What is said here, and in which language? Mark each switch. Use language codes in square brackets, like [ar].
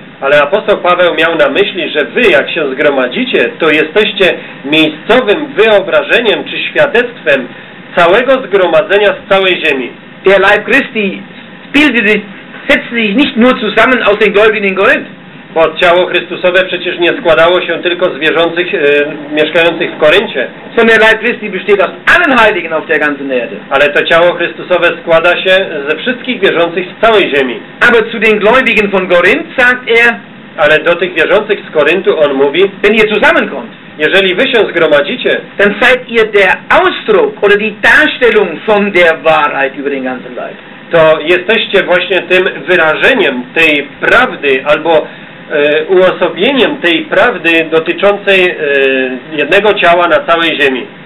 [pl] Ale apostoł Paweł miał na myśli, że wy, jak się zgromadzicie, to jesteście miejscowym wyobrażeniem czy świadectwem całego zgromadzenia z całej ziemi. [de] Der Leib Christi setzt sich nicht nur zusammen aus den Gläubigen in Korinth. [pl] Bo ciało Chrystusowe przecież nie składało się tylko z wierzących, mieszkających w Koryncie. [de] Sondern der Leib Christi besteht aus allen Heiligen auf der ganzen Erde. [pl] Ale to ciało Chrystusowe składa się ze wszystkich wierzących z całej ziemi. [de] Aber zu den Gläubigen von Korinth sagt er, [pl] ale do tych wierzących z Koryntu on mówi, [de] wenn ihr zusammenkommt, [pl] jeżeli wy się zgromadzicie, [de] dann seid ihr der Ausdruck oder die Darstellung von der Wahrheit über den ganzen Leib. [pl] To jesteście właśnie tym wyrażeniem tej prawdy albo uosobieniem tej prawdy dotyczącej jednego ciała na całej ziemi.